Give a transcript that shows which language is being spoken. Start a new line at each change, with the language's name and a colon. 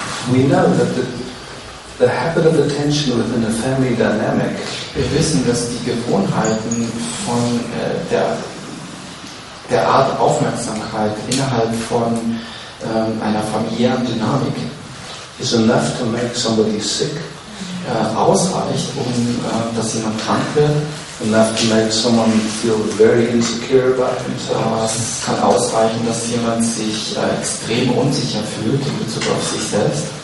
English: We know that the habit of attention within a family dynamic.
German: Wir wissen, dass die Gewohnheiten von der Art Aufmerksamkeit innerhalb von einer familiären Dynamik
English: is enough to make somebody sick.
German: Ausreicht, um dass jemand krank wird.
English: Enough to make someone feel very insecure about himself.
German: Es kann ausreichen, dass jemand sich extrem unsicher fühlt in Bezug auf sich selbst.